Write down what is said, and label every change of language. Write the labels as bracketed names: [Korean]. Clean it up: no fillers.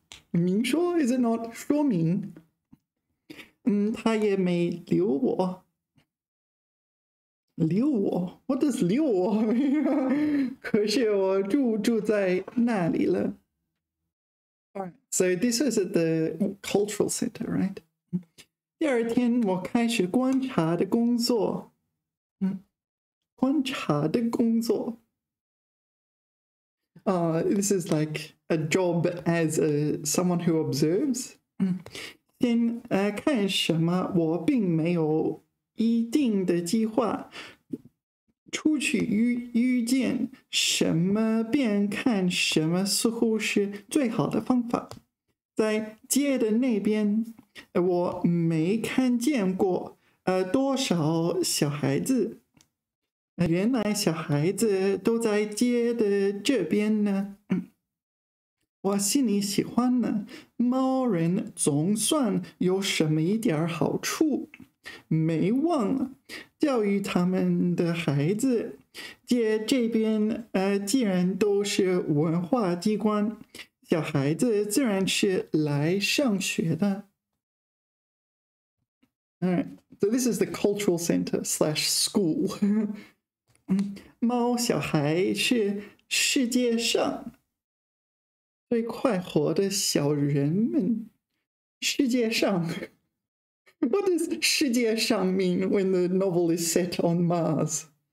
[Chinese] 明说， [English] is it not [Chinese] 说明？他也没留我，留我， [English] what does [Chinese] 留我 mean？可是我住在那里了。 [English] Alright，so this is at the cultural center, right？ [Chinese] 第二天，我开始观察的工作，观察的工作。 [English] This is like a job as a someone who observes。 [Chinese] 先看什么？我并没有一定的计划。出去遇见什么，便看什么，似乎是最好的方法。在街的那边。我没看见过，多少小孩子？原来小孩子都在街的这边呢。我心里喜欢呢，猫人总算有什么一点好处，没忘了教育他们的孩子。街这边，既然都是文化机关，小孩子自然是来上学的。 [English] All right, so this is the cultural center slash school. [Chinese] 猫小孩是世界上最快活的小人们。 [English] 世界上，What does 世界上 mean when the novel is set on Mars?